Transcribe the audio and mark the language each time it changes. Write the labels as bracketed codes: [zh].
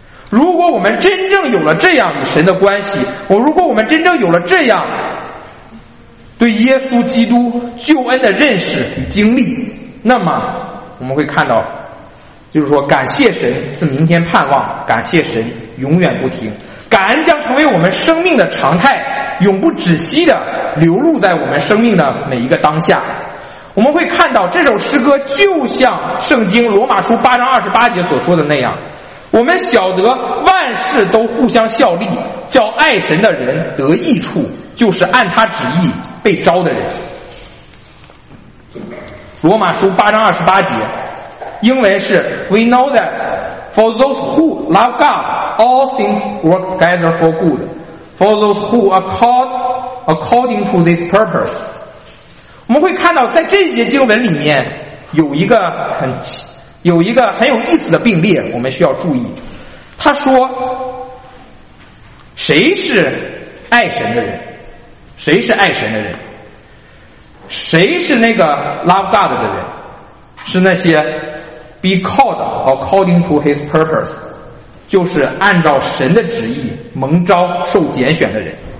[zh] 如果我们真正有了这样与神的关系，如果我们真正有了这样对耶稣基督救恩的认识与经历，那么我们会看到，就是说感谢神是明天盼望，感谢神永远不停，感恩将成为我们生命的常态，永不止息地流露在我们生命的每一个当下。我们会看到这首诗歌就像圣经罗马书8:28所说的那样，我们晓得万事都互相效力，叫爱神的人得益处，就是按他旨意被招的人。罗马书8:28，英文是 [en] We know that for those who love God, all things work together for good. For those who are called according to this purpose. [zh] 我们会看到在这节经文里面有一个很有意思的并列，我们需要注意。他说谁是爱神的人，谁是爱神的人，谁是那个 [en] love God [zh] 的人，是那些 [en] be called according to his purpose， [zh] 就是按照神的旨意蒙召受拣选的人。